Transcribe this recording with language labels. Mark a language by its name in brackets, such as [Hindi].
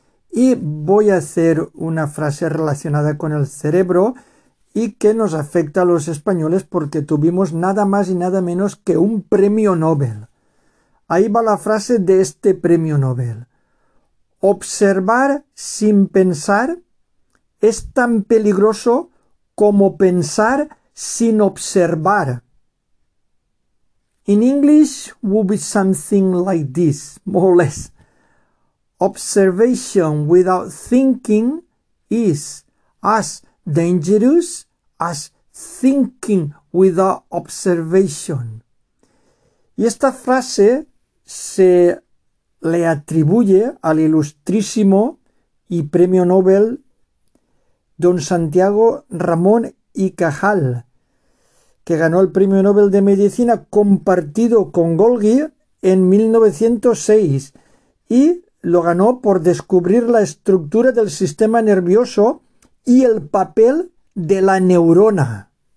[Spanish] Y voy a hacer una frase relacionada con el cerebro y que nos afecta a los españoles porque tuvimos nada más y nada menos que un premio Nobel. Ahí va la frase de este premio Nobel. Observar sin pensar es tan peligroso como pensar sin observar. [English] In English would be something like this, more or less. Observation without thinking is as dangerous as thinking without observation. [Spanish] Y esta frase se le atribuye al ilustrísimo y premio Nobel don Santiago Ramón y Cajal, que ganó el premio Nobel de Medicina compartido con Golgi en 1906 y lo ganó por descubrir la estructura del sistema nervioso y el papel de la neurona.